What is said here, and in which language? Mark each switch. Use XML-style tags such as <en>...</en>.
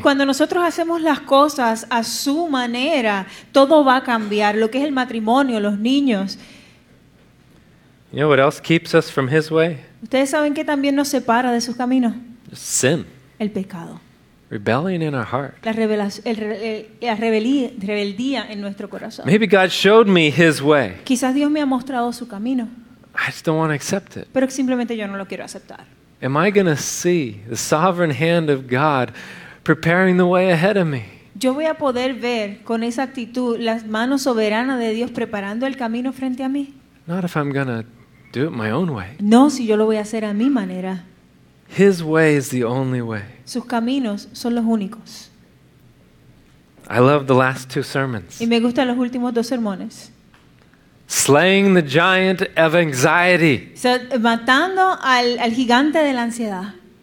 <es>Cuando nosotros hacemos las cosas a su manera, todo va a cambiar, lo que es el matrimonio, los niños.</es> <en>You know what else keeps us from His way?</en> <es>¿Ustedes saben qué también nos separa de sus caminos?</es> <en>Sin.</en> <es>El pecado.</es> <en>Rebellion in our heart.</en> <es>La rebeldía en nuestro corazón.</es> <en>Maybe God showed me His way.</en> <es>Quizás Dios me ha mostrado su camino.</es> <en>I just don't want to accept it.</en> <es>Pero simplemente yo no lo quiero aceptar.</es> <en>Am I going to see the sovereign hand of God preparing the way ahead of me?</en> <es>Yo voy a poder ver con esa actitud las manos soberanas de Dios preparando el camino frente a mí.</es> <en>Not if I'm going to do it my own way.</en> <es>No, si yo lo voy a hacer a mi manera.</es> <en>His way is the only way.</en> <es>Sus caminos son los únicos.</es> <en>I love the last two sermons.</en> <es>Y me gustan los últimos dos sermones.</es> <en>Slaying the giant of anxiety.</en> <es>So, matando al gigante de la ansiedad.</es>